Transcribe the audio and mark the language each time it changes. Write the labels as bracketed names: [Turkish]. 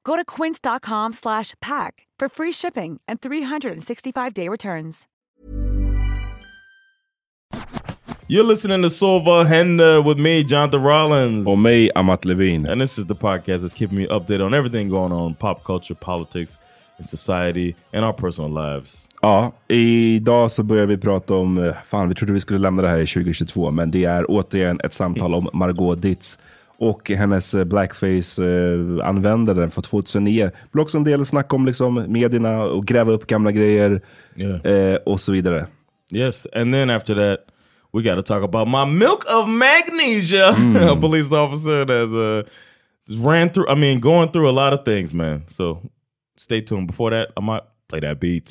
[English] Go to quince.com/pack for free shipping and 365-day returns. You're listening to Sova Henda with me, Jonathan Rollins. Or me, Amat Levine. And this is the podcast that's keeping me updated on everything going on, pop culture, politics, in society and our personal lives. [Swedish] Ja, idag så börjar vi prata om, fan vi trodde vi skulle lämna det här i 2022, men det är återigen ett samtal om Margot Dietz och hennes blackface-användare från 2009. Vi också en del snack om liksom medierna och gräva upp gamla grejer, och så vidare. [English] Yes, and then after that we gotta talk about my milk of magnesia. A police officer that ran through, I mean going through a lot of things, man, so stay tuned. Before that, I might play that beat.